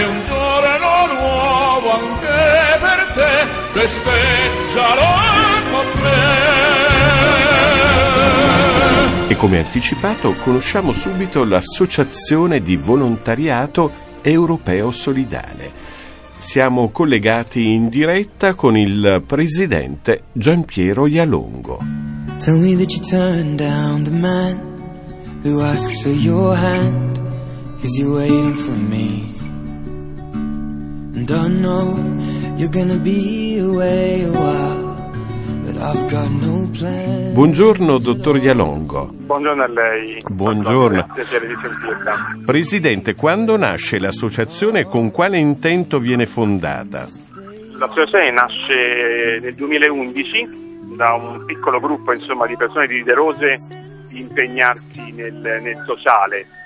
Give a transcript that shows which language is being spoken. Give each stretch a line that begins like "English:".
Italian: È un giorno nuovo anche per te, festeggialo con me. E come anticipato, conosciamo subito l'Associazione di Volontariato Europeo Solidale. Siamo collegati in diretta con il presidente Gian Piero Ialongo.
English: Tell me that you turned down the man who asks for your hand, 'cause you're waiting for me. And I know you're gonna be away a while, but I've got no plan.
Italian: Buongiorno, dottor Ialongo. Buongiorno a lei. Buongiorno. Presidente, quando nasce l'associazione e con quale intento viene fondata? L'associazione nasce nel 2011 da un piccolo gruppo, insomma, di persone desiderose di impegnarsi nel sociale.